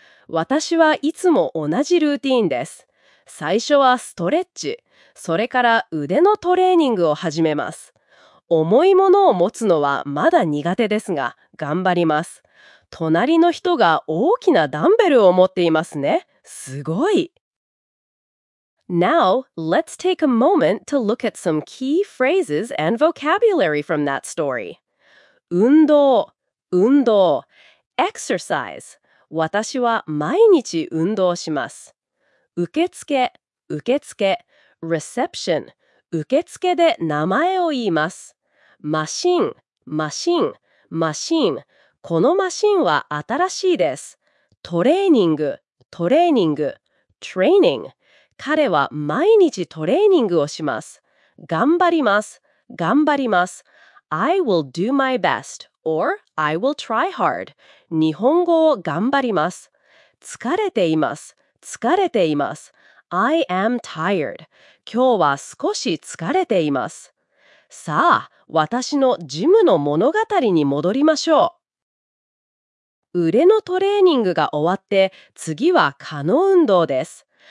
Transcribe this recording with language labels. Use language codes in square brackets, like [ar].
[ja] 私はいつも同じルーティーンです。最初はストレッチ。それから腕のトレーニングを始めます。重いものを持つのはまだ苦手ですが、頑張ります。隣の人が大きなダンベルを持っていますね。すごい。 [en] Now, let's take a moment to look at some key phrases and vocabulary from that story. [ja] 運動、運動、 [en] exercise。 [ja] 私は毎日運動します。受付、受付。 [en] Reception [ja] 受付で名前を言います。マシン、マシン、マシン。このマシンは新しいです。トレーニング、トレーニング、トレーニング。彼は毎日トレーニングをします。頑張ります、頑張ります。 [en] I will do my best or I will try hard. [ja] 日本語を頑張ります。疲れています、疲れています。 [en] I am tired. [ja] 今日は少し疲れています。さあ、私のジムの物語に戻りましょう。腕のトレーニングが終わって、次は可能運動です。